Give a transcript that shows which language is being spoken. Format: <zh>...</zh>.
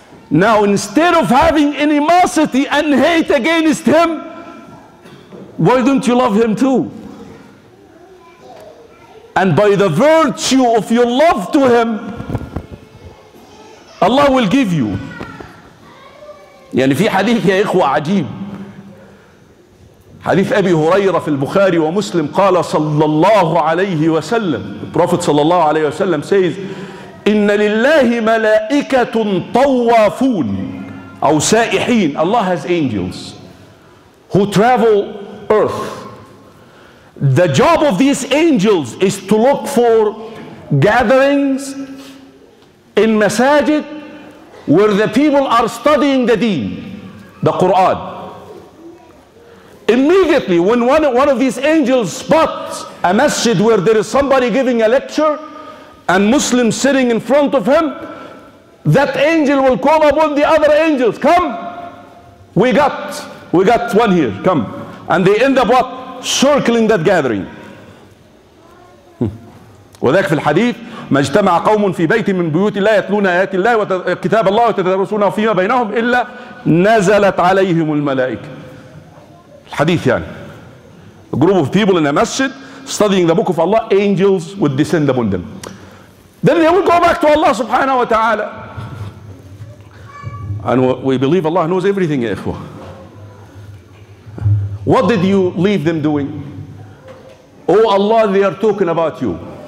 <en>Now instead of having animosity and hate against him, why don't you love him too? And by the virtue of your love to him, Allah will give you.</en> <ar>يعني في حديث يا إخوة عجيب, حديث أبي هريرة في البخاري ومسلم, قال صلى الله عليه وسلم,</ar> <en>the Prophet</en> <ar>صلى الله عليه وسلم</ar> <en>says,</en> <ar>إن لله ملائكة طوافون, أو سائحين.</ar> <en>Allah has angels who travel earth. The job of these angels is to look for gatherings in masajid where the people are studying the deen, the Quran. Immediately when one of these angels spots a masjid where there is somebody giving a lecture and Muslims sitting in front of him, that angel will call upon the other angels, come, we got one here, come. And they end up what? Circling that gathering.</en> <ar>وذلك في الحديث, ما اجتمع قوم في بيت من بيوت الله يتلون آيات الله وكتاب الله وتدارسون فيما بينهم إلا نزلت عليهم الملائكة. الحديث يعني.</ar> <en>A group of people in a masjid studying the book of Allah, angels would descend upon them. Then they would go back to Allah subhanahu wa ta'ala. And we believe Allah knows everything,</en> <ar>يا إخوة.</ar> <en>What did you leave them doing? Oh Allah, they are talking about you.</en>